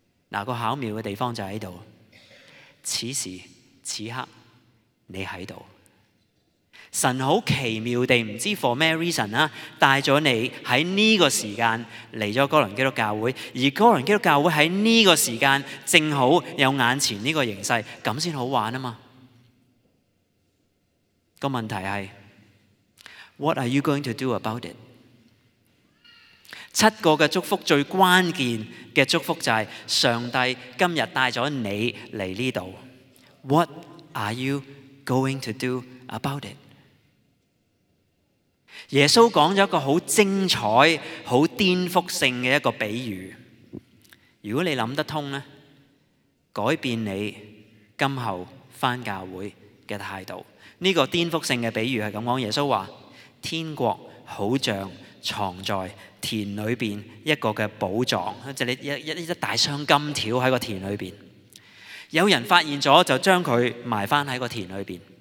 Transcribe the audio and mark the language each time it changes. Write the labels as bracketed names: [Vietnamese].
[Chinese] 那个巧妙的地方就在这里，此时此刻你在这里，神很奇妙地不知 [English] for [Chinese] 什么 [English] reason [Chinese] 带了你在这个时间来了哥伦基督教会，而哥伦基督教会在这个时间正好有眼前这个形势，这样才好玩嘛。个问题是 [English] What are you going to do about it？ [Chinese] 七个的祝福最关键的祝福就是上帝今天带了你来这里。 [English] What are you going to do about it？ [Chinese] 耶稣讲了一个很精彩、很颠覆性的一个比喻。如果你想得通，改变你今后回教会的态度。这个颠覆性的比喻是这样，耶稣说天国好像藏在田里边一个嘅宝藏，就是、一大箱金条喺个田里边，有人发现咗就将佢埋翻喺个田里边。